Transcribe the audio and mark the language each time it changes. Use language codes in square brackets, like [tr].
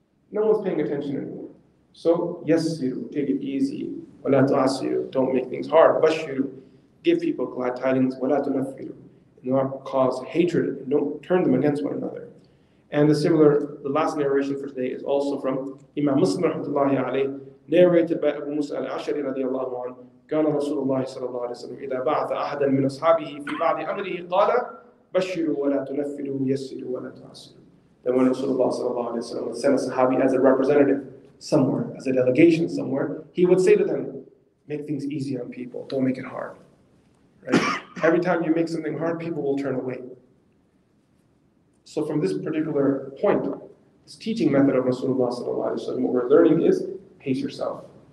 [en] No one's paying attention anymore. So, yasiru, take it easy. Wala ta'asiru, don't make things hard. Bashiru, give people glad tidings. Wala tunafiru, don't cause hatred. Don't turn them against one another. And the last narration for today is also from Imam Muslim rahmatullahi alayhi. Narrated by Abu Musa al-Ash'ari radiallahu anhu, [ar] كان رسول الله صلى الله عليه وسلم إذا بعث أحدا من أصحابه في بعض أمره قال بشروا ولا تنفلوا يسروا ولا تعسروا. [en] Then when Rasulullah صلى الله عليه وسلم would send a Sahabi as a representative somewhere, as a delegation somewhere, he would say to them, make things easy on people, don't make it hard. Right? Every time you make something hard, people will turn away. So from this particular point, this teaching method of Rasulullah صلى الله عليه وسلم, what we're learning is, pace yourself.